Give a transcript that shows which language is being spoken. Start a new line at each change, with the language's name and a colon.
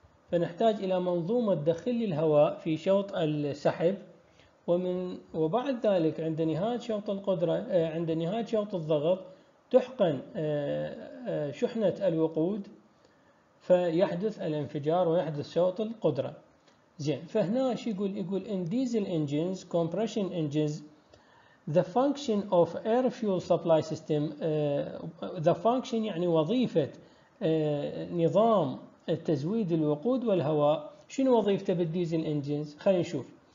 Arabic: فنحتاج إلى منظومة تدخل الهواء في شوط السحب، وبعد ذلك عند نهاية شوط القدرة عند نهاية شوط الضغط تحقن شحنة الوقود، فيحدث الانفجار ويحدث شوط القدرة. زين، فهنا شو يقول
English: in diesel engines compression engines the function of air fuel supply system the function
Arabic: يعني وظيفة نظام تزويد الوقود والهواء. شنو وظيفته بالديزل انجينز؟ خلينا نشوف.